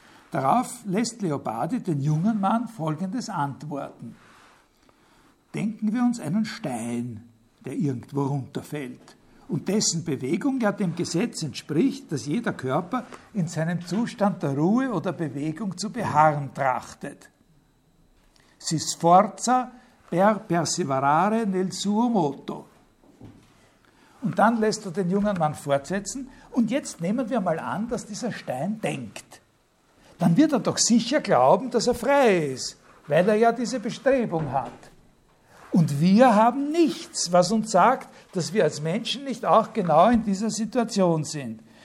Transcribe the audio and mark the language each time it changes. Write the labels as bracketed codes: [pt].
[de] Darauf lässt Leopardi den jungen Mann folgendes antworten. Denken wir uns einen Stein, der irgendwo runterfällt und dessen Bewegung ja dem Gesetz entspricht, dass jeder Körper in seinem Zustand der Ruhe oder Bewegung zu beharren trachtet. [it] Si sforza per perseverare nel suo moto. [de] Und dann lässt er den jungen Mann fortsetzen. Und jetzt nehmen wir mal an, dass dieser Stein denkt. Dann wird er doch sicher glauben, dass er frei ist, weil er ja diese Bestrebung hat. Und wir haben nichts, was uns sagt, dass wir als Menschen nicht auch genau in dieser Situation sind.